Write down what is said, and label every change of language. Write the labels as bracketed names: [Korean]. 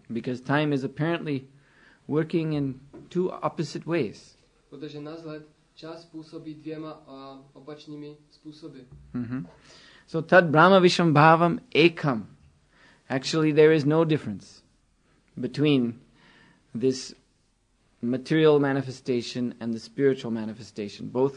[English] Because time is apparently working in two opposite ways. [Czech] Protože názor čas působí dvěma opačnými způsoby. [Sanskrit] So tad Brahma Vishvam Bhavam Ekam. [English] Actually, there is no difference between this material manifestation and the spiritual manifestation.